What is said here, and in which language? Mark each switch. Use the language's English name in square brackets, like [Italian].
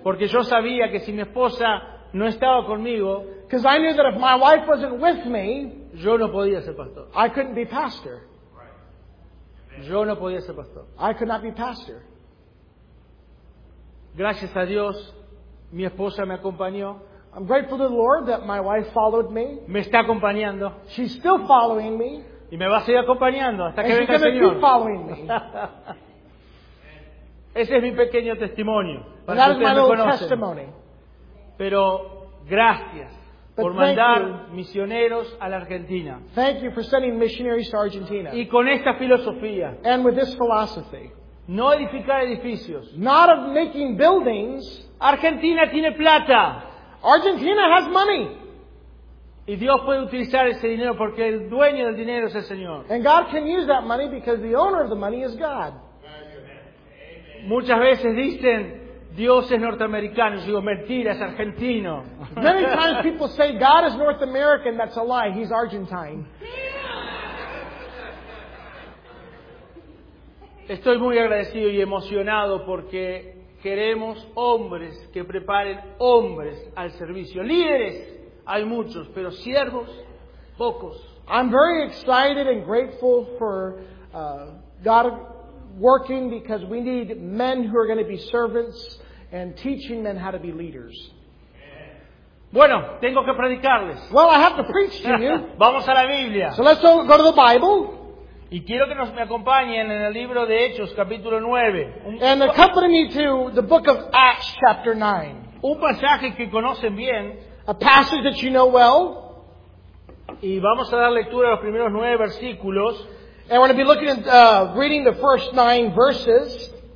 [Spanish] Porque yo sabía que si mi esposa no estaba conmigo, [English] because I knew that if my wife wasn't with me, [Spanish] yo no podía ser pastor. [English] I couldn't be pastor. [Spanish] Yo no podía ser pastor. [English] I could not be pastor. [Spanish] Gracias a Dios, mi esposa me acompañó. [English] I'm grateful to the Lord that my wife followed me. [Spanish] Me está acompañando. [English] She's still following me. [Spanish] Y me va a seguir acompañando hasta [English] and [Spanish] que venga el Señor. [English] She's going to keep following me. [Spanish] Ese es mi pequeño testimonio. [English] Para that is my little testimony. [Spanish] Pero gracias por mandar misioneros a la Argentina. [English] Thank you for sending missionaries to Argentina. [Spanish] Y con esta filosofía. [English] And with this philosophy. [Spanish] No edificar edificios. [English] Not of making buildings. [Spanish] Argentina tiene plata. [English] Argentina has money. [Spanish] Y Dios puede utilizar ese dinero porque el dueño del dinero es el Señor. [English] And God can use that money because the owner of the money is God. [Spanish] Muchas veces dicen, Dios es norteamericano. Yo digo, mentira, es argentino. [English] Many times people say, God is North American. That's a lie. He's Argentine. [Spanish] Estoy muy agradecido y emocionado porque queremos hombres que preparen hombres al servicio. Líderes, hay muchos, pero siervos, pocos. [English] I'm very excited and grateful for God working because we need men who are going to be servants and teaching men how to be leaders. [Spanish] Bueno, tengo que predicarles. [English] Well, I have to preach to you. [Spanish] Vamos a la Biblia. [English] So let's go to the Bible. [Spanish] Y quiero que nos me acompañen en el libro de Hechos, capítulo 9. [English] And accompany me to the book of Acts, chapter 9. [Spanish] Un pasaje que conocen bien. [English] A passage that you know well. [Spanish] Y vamos a dar lectura a los primeros 9 versículos. [English] And we're going to be looking at reading the first 9 verses.